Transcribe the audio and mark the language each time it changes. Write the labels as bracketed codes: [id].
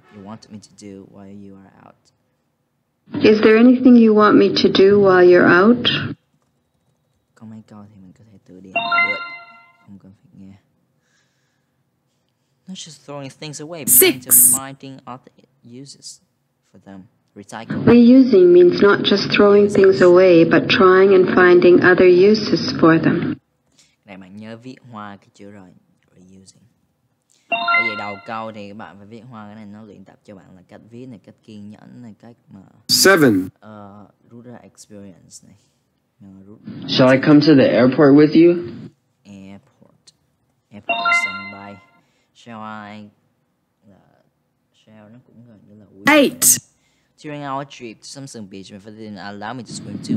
[en] You want me to do while you are out? Is there anything you want me to do while you're out? [vi] Có mấy câu thì mình có thể tự điền vào được. Không cần phải nghe. [en] Not just throwing things away, but Six. Finding other uses for them. Recycle. Reusing means not just throwing Six. Things away, but trying and finding other uses for them. [vi] Này bạn nhớ viết hoa cái chữ rồi. Reusing. Bởi vì đầu câu thì các bạn phải viết hoa cái này, nó luyện tập cho bạn là cách viết này, cách kiên nhẫn này, cách mà... 7. Rút ra experience này. [en] Shall I come to the airport with you? Airport. Airport là sân bay. Shall I... [vi] Shall nó cũng gần như là... 8. [en] During our trip to Samsung Beach, my father didn't allow me to swim too far.